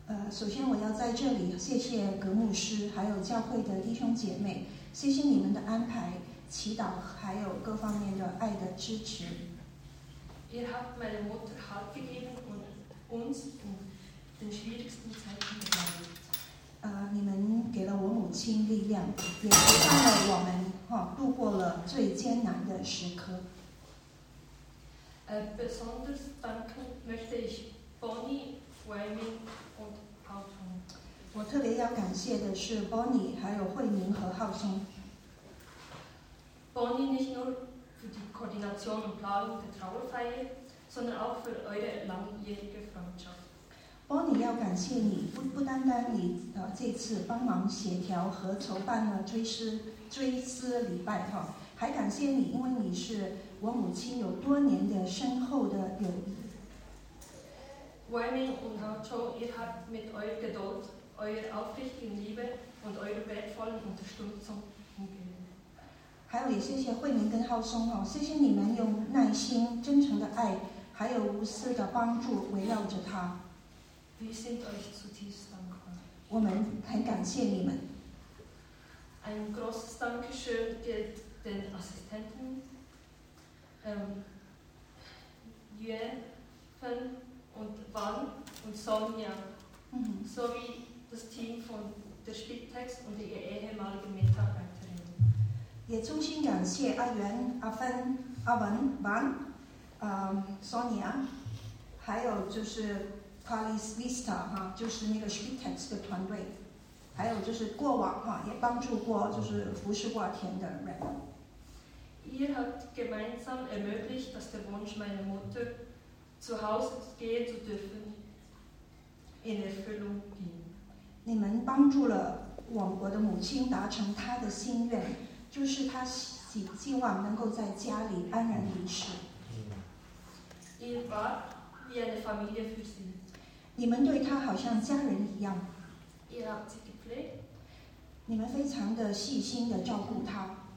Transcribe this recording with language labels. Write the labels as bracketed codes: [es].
[zh] 首先我要在这里谢谢格牧师还有教会的弟兄姐妹，谢谢你们的安排、祈祷还有各方面的爱的支持。 [de] Ihr habt meine Mutter Halt gegeben und uns in den schwierigsten Zeiten geholfen. [zh] 你们给了我母亲力量，也陪伴了我们，度过了最艰难的时刻。 [de] Besonders danken möchte ich Bonnie, Weimin und Hausung. [zh] 我特别要感谢的是 Bonnie 还有慧明和浩松。 [de] Bonnie nicht nur für die Koordination und Planung der Trauerfeier, sondern auch für eure langjährige Freundschaft. [zh] Bonnie 要感谢你，不单单你这次帮忙协调和筹办了追思礼拜哈。还感谢你，因为你是我母亲有多年的深厚的友谊。 [de] Weimin und Hauchau, ihr habt mit eurer Geduld, eurer aufrichtigen Liebe und eurer wertvollen Unterstützung umgehen. [zh] 还有也谢谢慧明跟浩松哦，谢谢你们用耐心、真诚的爱，还有无私的帮助围绕着他。 [de] Wir sind euch zutiefst dankbar. [zh] 我们很感谢你们。 [de] Ein großes Dankeschön gilt. Den Assistenten, Yuen, und Wang und Sonja, sowie das Team von der Spitex und ihre ehemaligen Mitarbeiterinnen. [zh] 也衷心感谢阿元、阿芬、阿文、王、Sonja, 还有就是 Qualis Vista, 就是那个 Spitex 的团队，还有就是过往也帮助过就是服侍过田的人。 [de] Ihr habt gemeinsam ermöglicht, dass der Wunsch meiner Mutter, zu Hause gehen zu dürfen, in Erfüllung ging. [zh] 你们帮助了我的母亲达成她的心愿，就是她希望能够在家里安然离世。 [de] Ihr wart wie eine Familie für sie. [zh] 你们对她好像家人一样。 [de] Ihr habt sie gepflegt. [zh] 你们非常的细心的照顾她。